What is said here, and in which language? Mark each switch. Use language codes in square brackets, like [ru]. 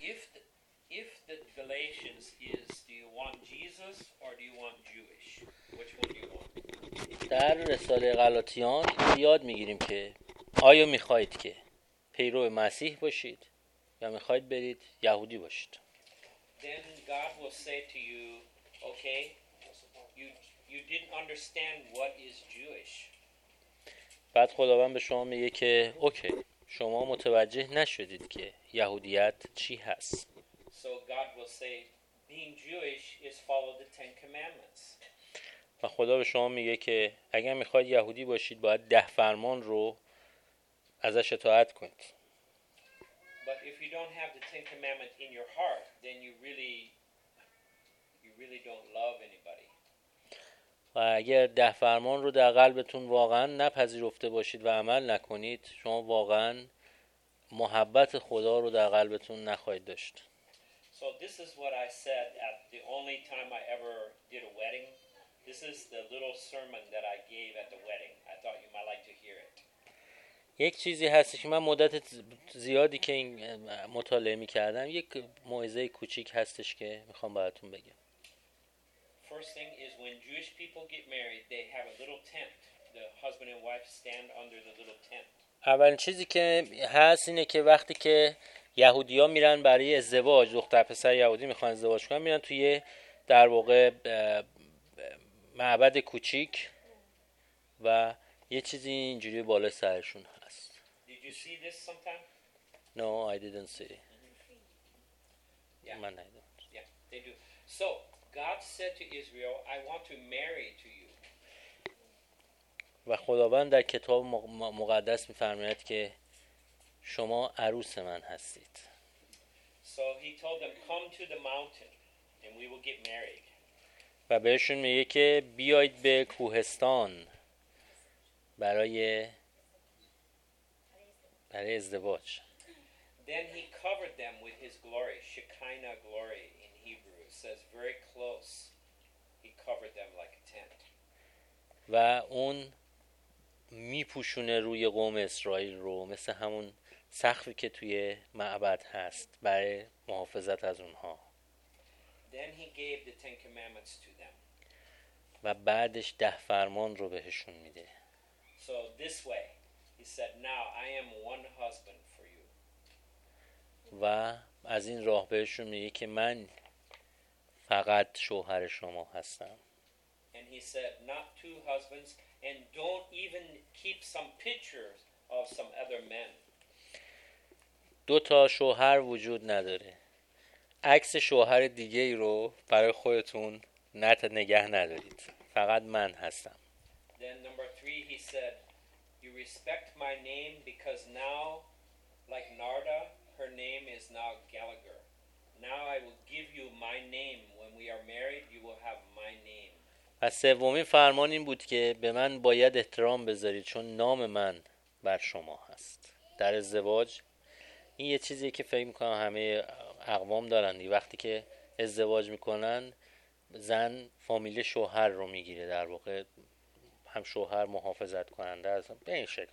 [en] options is, do you want Jesus or do you want Jewish? Which one do you want? [fa] در رساله غلاطیان یاد میگیریم که آیا میخواهید که پیرو مسیح باشید یا میخواهید برید یهودی باشید. [en] Then God will say to you, okay, you didn't understand what is Jewish. [fa] بعد خداوند به شما میگه که اوکی شما متوجه نشدید که یهودیت چی هست. [en] So God will say, being Jewish is follow the Ten Commandments. [fa] و خدا به شما میگه که اگر میخواید یهودی باشید باید ده فرمان رو ازش اطاعت کنید. [en] But if you don't have the Ten Commandments in your heart, then you really don't love anybody. [fa] و اگر ده فرمان رو در قلبتون واقعا نپذیرفته باشید و عمل نکنید شما واقعا محبت خدا رو در قلبتون نخواهید داشت. [en] So this is what I said at the only time I ever did a wedding. This is the little sermon that I gave at the wedding. I thought you might like to hear it. [fa] یک چیزی هست که من مدت زیادی که این مطالعه می‌کردم، یک موعظه کوچیک هستش که می‌خوام براتون بگم. [en] First thing is when Jewish people get married, they have a little tent. The husband and wife stand under the little tent. [fa] اولین چیزی که هست اینه که وقتی که یهودی‌ها میرن برای ازدواج، دختر پسر یهودی می‌خوان ازدواج کنن، میرن توی در واقع معبد کوچیک و یه چیزی اینجوری بالای سرشون هست. [en] Did you see this sometime? No, I didn't see. Yeah. Man, I didn't. Yeah, they do. So, God said to Israel, I want to marry to you. [fa] و خداوند در کتاب مقدس می‌فرماید که شما عروس من هستید. [en] So, he told them come to the mountain and we will get married. [fa] و بهشون میگه که بیایید به کوهستان برای ازدواج. [en] Then he covered them with his glory, Shekinah glory in Hebrew. It says very close. He covered them like a tent. [fa] و اون میپوشونه روی قوم اسرائیل رو مثل همون سقفی که توی معبد هست برای محافظت از اونها. [en] Then he gave the Ten Commandments to them. [fa] و بعدش ده فرمان رو بهشون میده. [en] So this way, he said, now I am one husband for you. [fa] و از این راه بهشون میگه که من فقط شوهر شما هستم. [en] And he said, not two husbands, and don't even keep some pictures of some other men. [fa] دو تا شوهر وجود نداره. عکس شوهر دیگه ای رو برای خودتون نگه ندارید. فقط من هستم. [en] Then number three, he said, you respect my name because now, like Narda, her name is now Gallagher. Now I will give you my name. When we are married, you will have my name. [fa] و سومین فرمان این بود که به من باید احترام بذارید چون نام من بر شما هست. در ازدواج این یه چیزیه که فکر میکنم همه اقوام دارن. وقتی که ازدواج میکنن زن فامیل شوهر رو میگیره، در واقع هم شوهر محافظت کننده از به این شکل.